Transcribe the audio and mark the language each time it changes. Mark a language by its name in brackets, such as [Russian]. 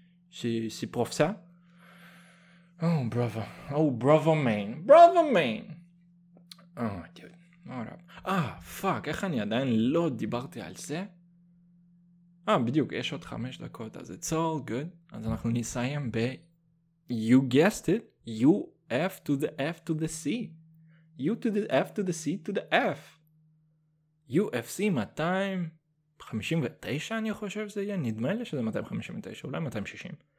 [Hebrew] שי פרופסה. [English] Oh, brother. Oh, brother man. Brother man. Oh, dude. [Hebrew] אה, פאק, איך אני עדיין לא דיברתי על זה? בדיוק, יש עוד 5 דקות, אז [English] it's all good. [Hebrew] אז אנחנו נסיים ב... [English] You guessed it, U F to the F to the C. U to the F to the C to the F. [Hebrew] UFC 259, אני חושב זה יהיה, נדמה לי שזה 259, אולי 260.